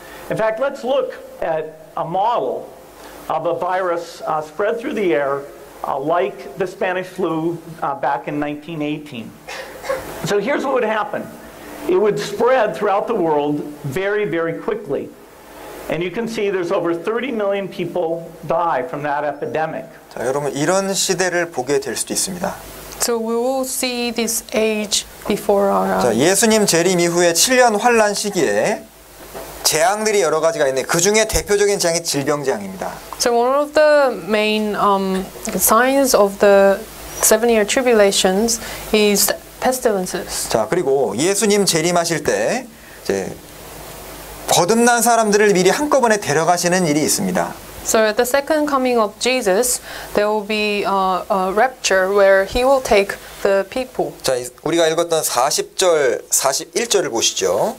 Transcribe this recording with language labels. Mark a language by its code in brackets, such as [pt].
[en] In fact, let's look at a model of a virus spread through the air like the Spanish flu back in 1918. So here's what would happen. It would spread throughout the world very, very quickly. And you can see there's over 30 million people die from that epidemic. [ko] 자, 여러분 이런 시대를 보게 될 수도 있습니다. [en] So we will see this age before our [ko] 자, 예수님 재림 이후에 7년 환란 시기에 재앙들이 여러 가지가 있는데 그 중에 대표적인 재앙이 질병재앙입니다. [en] So one of the main signs of the seven-year tribulations is pestilences. [ko] 자, 그리고 예수님 재림하실 때 이제 거듭난 사람들을 미리 한꺼번에 데려가시는 일이 있습니다. [en] So at the second coming of Jesus, there will be a rapture where he will take the people. [ko] 자, 우리가 읽었던 40절, 41절을 보시죠.